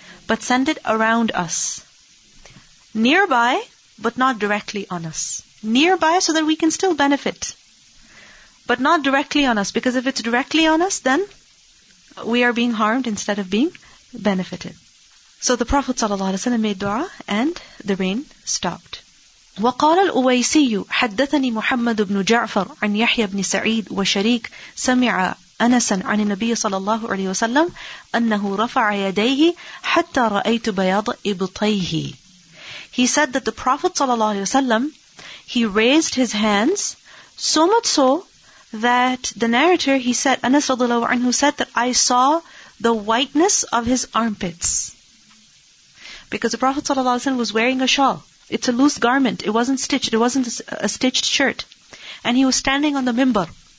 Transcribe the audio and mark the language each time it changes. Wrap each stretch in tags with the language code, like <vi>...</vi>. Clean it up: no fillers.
<en>But send it around us. Nearby, but not directly on us. Nearby so that we can still benefit. But not directly on us, because if it's directly on us, then we are being harmed instead of being benefited. So the Prophet ﷺ made dua and the rain stopped.</en> <ar>وقال الأويسي حدثني محمد بن جعفر عن يحيى بن سعيد وشريك سمع أنسا عن النبي صلى الله عليه وسلم أنه رفع يديه حتى رأيت بياض إبطيه.</ar> <en>He said that the Prophet ﷺ, he raised his hands so much so that the narrator, he said, Anas radiallahu anhu said that I saw the whiteness of his armpits. Because the Prophet sallallahu alaihi wasallam was wearing a shawl. It's a loose garment. It wasn't stitched. It wasn't a stitched shirt. And he was standing on the mimbar.</en>